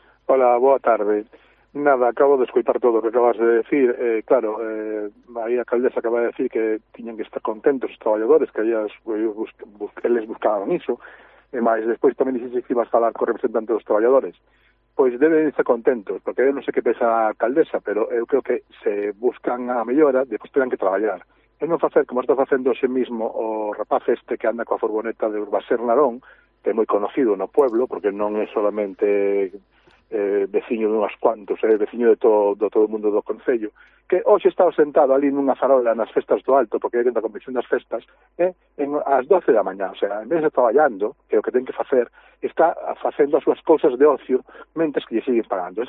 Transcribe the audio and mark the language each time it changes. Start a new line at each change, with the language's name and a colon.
Galician: Hola, boa tarde. Nada, acabo de escoitar todo o que acabas de decir. Aí a alcaldesa acaba de decir que tiñen que estar contentos os traballadores, que eles buscaban iso. E máis, despois tamén dixen que ibas falar co representante dos traballadores.
Spanish: pues deben estar contentos, porque yo no sé qué piensa la alcaldesa, pero yo creo que se buscan
Galician: a mellora,
Spanish: después tendrán que trabajar.
Galician: Es no facer, como está facendo ese mismo o rapaz este que anda coa furgoneta de Urbaser Narón, que é moi conocido no pueblo, porque non é solamente veciño de unhas cuantos, é veciño de todo o mundo do concello, que hoxe está sentado ali nunha farola nas festas do Alto, porque é da Comisión das Festas, en as 12 da mañá, o sea, en vez de traballando, que é o que ten que facer, está facendo as súas cousas de ocio, mentes que lle siguen pagando.